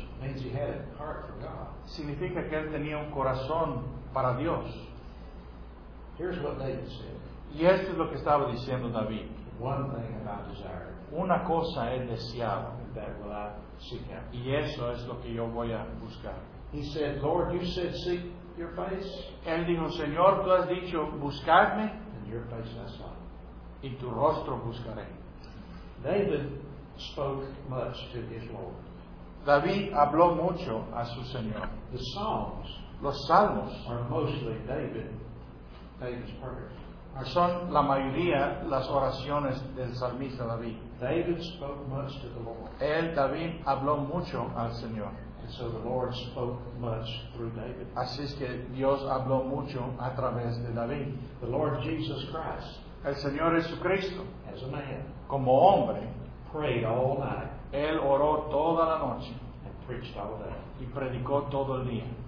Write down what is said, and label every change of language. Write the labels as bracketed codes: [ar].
[en] Means he had a heart for God. [es] Significa que él tenía un corazón para Dios. [en] Here's what David said. [es] Y esto es lo que estaba diciendo David. [en] One thing have I desired. [es] Una cosa he deseado. [en] That will I seek after. [es] Y eso es lo que yo voy a buscar. [en] He said, Lord, you said, seek your face. [es] Él dijo, Señor, tú has dicho, buscadme. [en] And your face I saw. [es] Y tu rostro buscaré. [en] David spoke much to his Lord. [es] David habló mucho a su Señor. [en] The Psalms. [es] Los Salmos. [en] Are mostly David's prayers. [es] Son la mayoría las oraciones del salmista David. [en] David spoke much to the Lord. [es] Él, David, habló mucho al Señor. [en] And so the Lord spoke much through David. [es] Así es que Dios habló mucho a través de David. [en] The Lord Jesus Christ. [es] El Señor Jesucristo. [en] As a man. [es] Como hombre. [en] Prayed all night. [es] Él oró toda la noche. [en] And preached all day. [es] Y predicó todo el día.